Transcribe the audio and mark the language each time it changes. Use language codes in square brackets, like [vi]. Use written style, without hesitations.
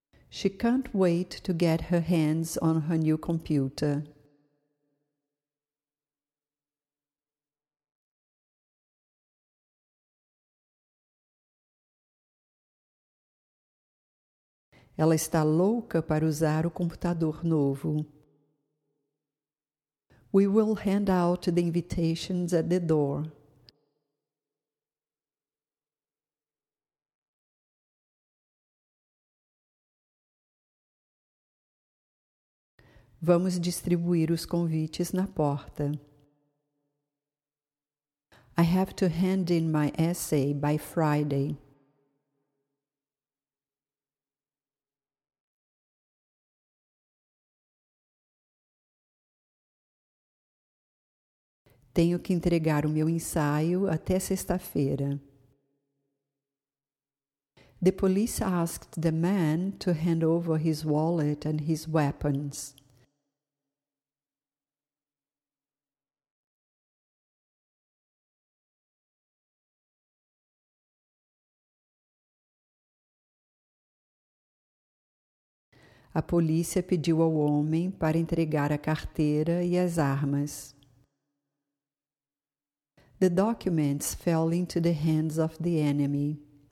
[en] She can't wait to get her hands on her new computer. [pt] Ela está louca para usar o computador novo. [en] We will hand out the invitations at the door. [pt] Vamos distribuir os convites na porta. [en] I have to hand in my essay by Friday. [pt] Tenho que entregar o meu ensaio até sexta-feira. [en] The police asked the man to hand over his wallet and his weapons. [pt] A polícia pediu ao homem para entregar a carteira e as armas. [en] The documents fell into the hands of the enemy.